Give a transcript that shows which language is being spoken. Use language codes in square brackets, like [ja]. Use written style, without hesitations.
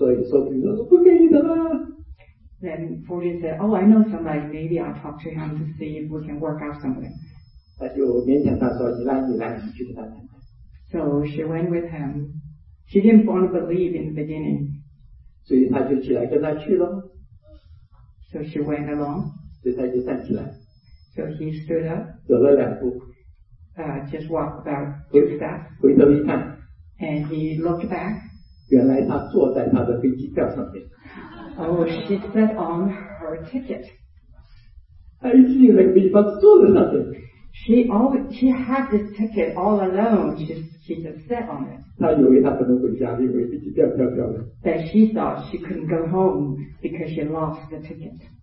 [zh] 这个Fulton就说，他说我认得某某某，说不定我跟他讲讲看，让你先退回去说，说不定说不可以的啦。 [en] Then Fulton said, "Oh, I know somebody. Maybe I'll talk to him to see if we can work out something." [zh] 他就勉强他说：“你来，你去跟他谈谈。” [en] So she went with him. She didn't want to believe in the beginning. [zh] 所以他就起来跟他去喽。 [en] So she went along. [zh] 所以他就站起来。 [en] So he stood up. [zh] 走了两步。 [en] Just walked about 2 steps. [zh] 回头一看。 [en] And he looked back. [zh] 原来他坐在他的飞机票上面。 [en] Oh, she sat on her ticket. [zh] 她一直有那个地方坐在那边。 [en] She had this ticket all alone. She just sat on it. [zh] 她以为她不能回家，因为飞机票飘飘了。 [en] But she thought she couldn't go home because she lost the ticket.